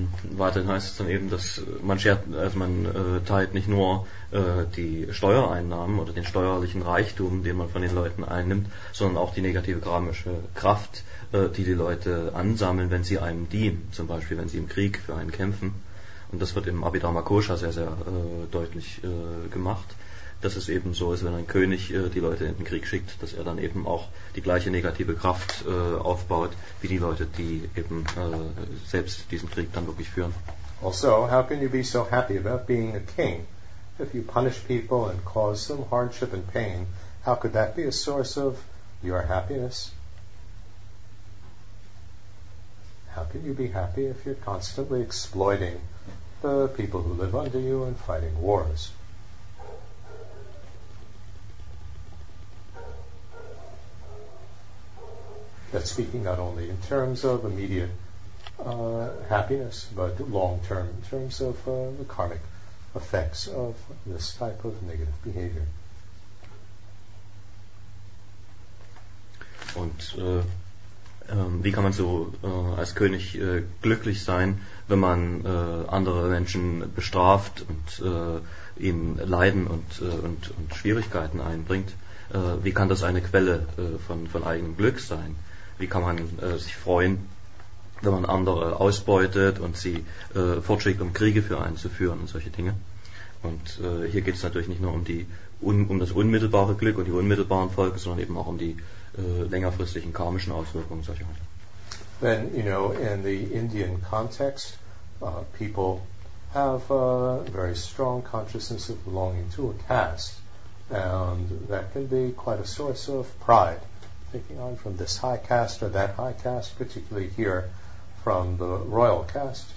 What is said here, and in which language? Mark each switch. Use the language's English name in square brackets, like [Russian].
[German] Weiterhin heißt es dann eben, dass man schert, also man teilt nicht nur die Steuereinnahmen oder den steuerlichen Reichtum, den man von den Leuten einnimmt, sondern auch die negative karmische Kraft, die die Leute ansammeln, wenn sie einem dienen, zum Beispiel wenn sie im Krieg für einen kämpfen. und das wird im Abhidharma Kosha sehr, sehr deutlich gemacht, dass es eben so ist, wenn ein König die Leute in den Krieg schickt, dass er dann eben auch die gleiche negative Kraft aufbaut, wie die Leute, die eben selbst diesen Krieg dann wirklich führen. [English] Also, how can you be so happy about being a king? If you punish people and cause them hardship and pain, how could that be a source of your happiness? How can you be happy if you're constantly exploiting the people who live under you and fighting wars? That's speaking not only in terms of immediate happiness, but long-term, in terms of the karmic effects of this type of negative behavior. [German] Und wie kann man so als König glücklich sein, wenn man andere Menschen bestraft und ihnen Leiden und Schwierigkeiten einbringt? Wie kann das eine Quelle von eigenem Glück sein? Wie kann man sich freuen, wenn man andere ausbeutet und sie fortschickt, um Kriege für einen zu führen und solche Dinge? Und hier geht es natürlich nicht nur um das unmittelbare Glück und die unmittelbaren Folgen, sondern eben auch um die längerfristigen karmischen Auswirkungen solcher Art. [English] Then, you know, in the Indian context, people have a very strong consciousness of belonging to a caste, and that can be quite a source of pride, thinking I'm from this high caste or that high caste, particularly here from the royal caste.